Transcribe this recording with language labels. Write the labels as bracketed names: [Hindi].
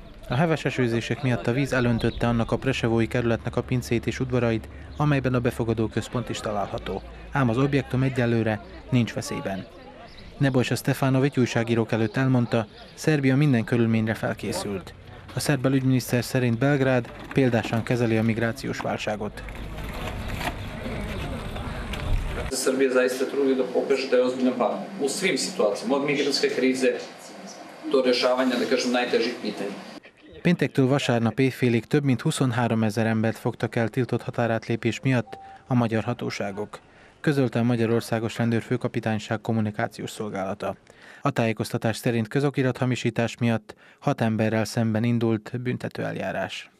[Hungarian] A heves esőzések miatt a víz elöntötte annak a presevói kerületnek a pincét és udvarait, amelyben a befogadó központ is található. Ám az objektum egyelőre nincs veszélyben. Nebojša Stefanović újságírók előtt elmondta, Szerbia minden körülményre felkészült. A szerb belügyminiszter szerint Belgrád példásan kezeli a migrációs válságot. [Serbian] Szerbia zaista trudi da pokaže da je ozbiljna pamet. U svim situacijama, od migrantske krize do rešavanja, da kažem, najtežih pitanja. [Hungarian] Péntektől vasárnap éjfélig több mint 23 ezer embert fogtak el tiltott határátlépés miatt a magyar hatóságok, közölte a Magyarországos Rendőrfőkapitányság kommunikációs szolgálata. A tájékoztatás szerint közokirathamisítás miatt 6 emberrel szemben indult büntető eljárás.